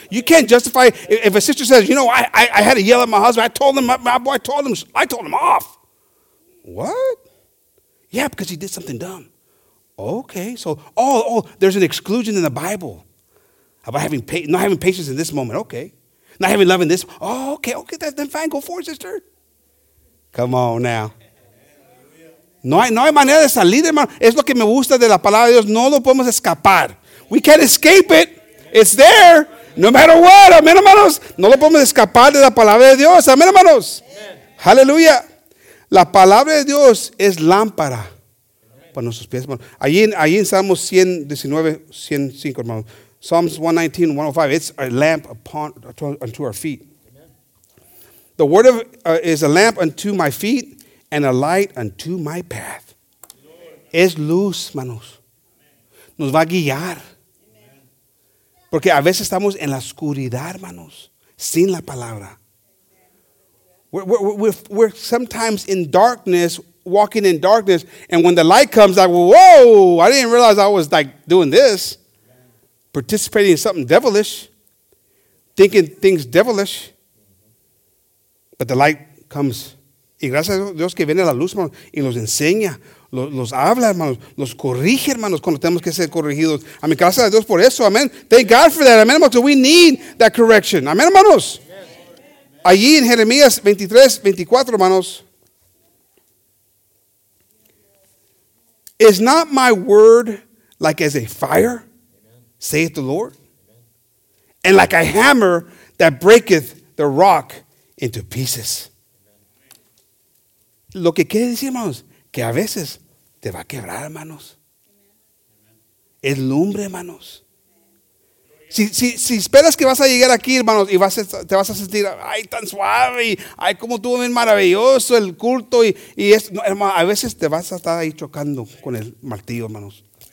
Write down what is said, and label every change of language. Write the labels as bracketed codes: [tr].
[en] You can't justify if a sister says, you know, I had to yell at my husband. I told him, I told him off. What? Yeah, because he did something dumb. Okay, so oh, there's an exclusion in the Bible about having not having patience in this moment. Okay, not having love in this. Oh, okay, then fine, go for it, sister. Come on now. [es] No hay manera de salir, hermano. Es lo que me gusta de la palabra de Dios. No lo podemos escapar. [en] We can't escape it. It's there. No matter what. Amén, hermanos. [es] No lo podemos escapar de la palabra de Dios. Amén, hermanos. Aleluya. La palabra de Dios es lámpara para nuestros pies, hermanos. Allí en Salmos 119, 105, hermanos. [en] Psalms 119, 105. It's a lamp unto our feet. The word of is a lamp unto my feet and a light unto my path. [es] Es luz, manos. Nos va a guiar. Porque a veces estamos en la oscuridad, manos, sin la palabra. [en] We're sometimes in darkness, walking in darkness, and when the light comes, like, whoa, I didn't realize I was like doing this, participating in something devilish, thinking things devilish. But the light comes. [es] Y gracias a Dios que viene la luz, hermanos, y nos enseña, los habla, hermanos, los corrige, hermanos, cuando tenemos que ser corregidos. [en] I mean, [es] gracias a Dios por eso, amen. [en] Thank God for that, amen, hermanos, we need that correction. Amen, hermanos. Amen. [es] Allí en Jeremías 23, 24, hermanos. [en] Is not my word like as a fire, saith the Lord, and like a hammer that breaketh the rock into pieces. [es] Lo que quiere decir, hermanos, que a veces te va a quebrar, hermanos. Es lumbre, hermanos. Si esperas que vas a llegar aquí, hermanos, y te vas a sentir, ay, tan suave, ay, cómo estuvo bien maravilloso el culto, y esto, no, hermano, a veces te vas a estar ahí chocando con el martillo, hermanos.